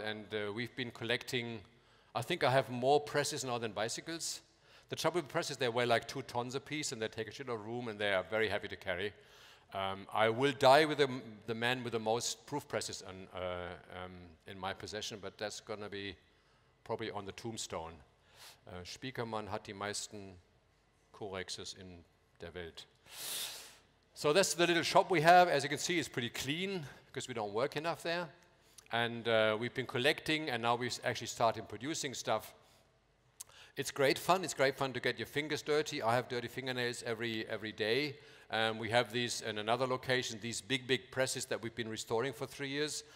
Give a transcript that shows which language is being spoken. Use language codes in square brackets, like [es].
[en] And we've been collecting, I think I have more presses now than bicycles. The trouble with presses, they weigh like 2 tons a piece and they take a shit of room and they are very heavy to carry. I will die with the man with the most proof presses in my possession, but that's going to be probably on the tombstone. [de] Spiekermann hat die meisten Corexes in der Welt. [en] So that's the little shop we have. As you can see, it's pretty clean because we don't work enough there. And we've been collecting and now we've actually started producing stuff. It's great fun. It's great fun to get your fingers dirty. I have dirty fingernails every day. We have these in another location, these big presses that we've been restoring for 3 years.